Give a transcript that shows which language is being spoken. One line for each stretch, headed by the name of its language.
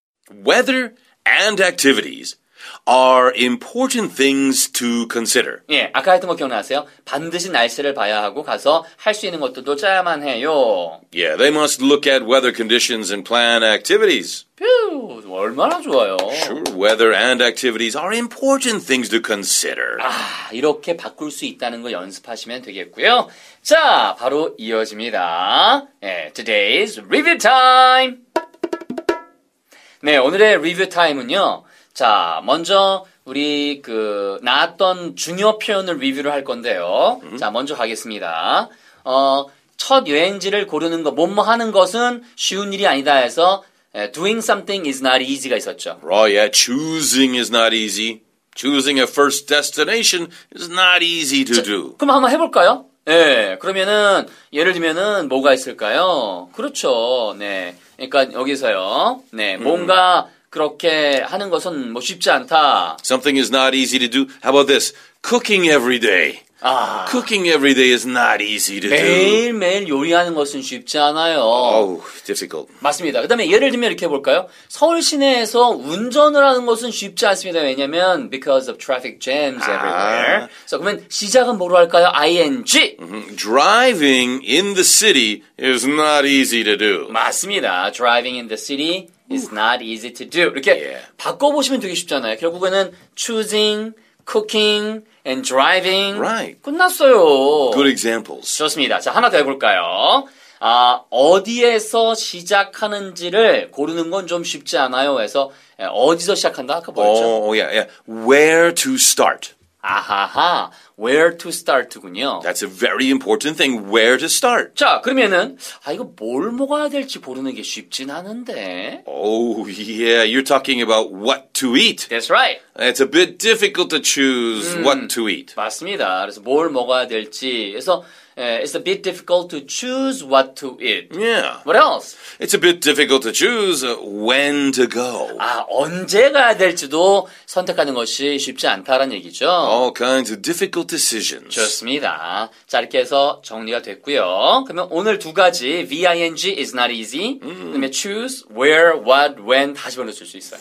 English: Weather and activities are important things to consider.
Korean: 예, 아까 했던 거 기억나세요? 반드시 날씨를 봐야 하고 가서 할 수 있는 것들도 짜야만 해요.
English: Yeah, they must look at weather conditions and plan activities.
Korean: 휴, 얼마나 좋아요.
English: Sure, weather and activities are important things to consider.
Korean: 아, 이렇게 바꿀 수 있다는 거 연습하시면 되겠고요. 자, 바로 이어집니다. 예,
English: today's review time!
Korean: 네, 오늘의 리뷰 타임은요. 자, 먼저 우리 그 나왔던 중요 표현을 리뷰를 할 건데요. 자, 먼저 가겠습니다. 어, 첫 여행지를 고르는 거, 뭐뭐 하는 것은 쉬운 일이 아니다 해서
English: doing something is not easy
Korean: 가 있었죠.
English: Right, yeah, choosing is not easy. Choosing a first destination is not easy to do.
Korean: 자, 그럼 한번 해볼까요? 네, 그러면은 예를 들면은 뭐가 있을까요? 그렇죠, 네. 그러니까 여기서요. 네, 뭔가 그렇게 하는 것은 뭐 쉽지 않다.
English: Something is not easy to do. How about this? Cooking every day.
Korean: 아,
English: cooking every day is not easy to
Korean: 매일
English: do.
Korean: 매일매일 요리하는 것은 쉽지 않아요.
English: Oh, difficult.
Korean: 맞습니다. 그 다음에 예를 들면 이렇게 해볼까요? 서울 시내에서 운전을 하는 것은 쉽지 않습니다. 왜냐면
English: because of traffic jams everywhere. 아.
Korean: So, 그러면 시작은 뭐로 할까요?
English: ing. Driving in the city is not easy to do.
Korean: 맞습니다.
English: Driving in the city is not easy to do.
Korean: 이렇게
English: yeah.
Korean: 바꿔보시면 되게 쉽잖아요.
English: 결국에는 choosing, cooking, and driving. Right.
Korean: 끝났어요.
English: Good examples.
Korean: 좋습니다. 자, 하나 더 해볼까요? 아, 어디에서 시작하는지를 고르는 건 좀 쉽지 않아요. 해서, 어디서 시작한다? 아까 뭐였죠?
English: Oh, yeah, yeah. Where to start. 아하하. Where to start군요. That's a very important thing. Where to start.
Korean: 자, 그러면은, 아, 이거 뭘 먹어야 될지 고르는 게 쉽진 않은데.
English: Oh, yeah. You're talking about what to eat. That's right. It's a bit difficult to choose what to eat.
Korean: 맞습니다. 그래서 뭘 먹어야 될지. 그래서,
English: it's a bit difficult to choose what to eat. Yeah. What else? It's a bit difficult to choose when to go.
Korean: 아, 언제 가야 될지도 선택하는 것이 쉽지 않다라는 얘기죠.
English: All kinds of difficult decisions.
Korean: 좋습니다. 자, 이렇게 해서 정리가 됐고요. 그러면 오늘 두 가지,
English: V-I-N-G is not easy.
Korean: 그다음에 choose, where, what, when 다시 보내줄 수 있어요.